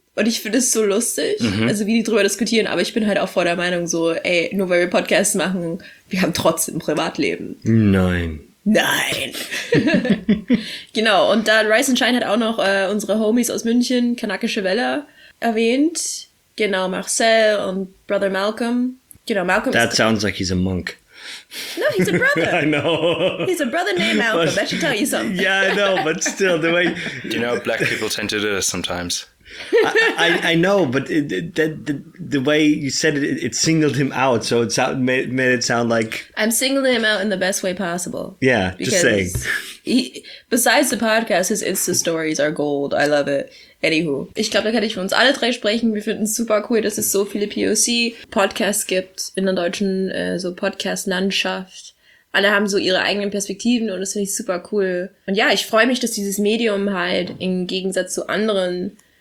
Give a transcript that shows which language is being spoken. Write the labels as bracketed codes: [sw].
[de] Und ich finde es so lustig, also wie die drüber diskutieren, aber ich bin halt auch vor der Meinung so, ey, nur weil wir Podcasts machen, wir haben trotzdem Privatleben. Nein. Genau, und da Rise and Shine hat auch noch unsere Homies aus München, Kanakische Welle, erwähnt. Genau, Marcel und Brother Malcolm. Genau, Malcolm. [en] That sounds like he's a monk. No, he's a brother. I know. He's a brother named Malcolm, I should tell you something. Yeah, I know, but still, the way... You know, black people tend to do this sometimes. I know, but the way you said it, it singled him out, so it sound, made it sound like... I'm singling him out in the best way possible. Yeah, just saying. Besides the podcast, his Insta-Stories are gold. I love it. [de] Anywho, ich glaube, da kann ich für uns alle drei sprechen. Wir finden es super cool, dass es so viele POC-Podcasts gibt in der deutschen so Podcast-Landschaft. Alle haben so ihre eigenen Perspektiven und das finde ich super cool. Und ja, ich freue mich, dass dieses Medium halt im Gegensatz zu anderen...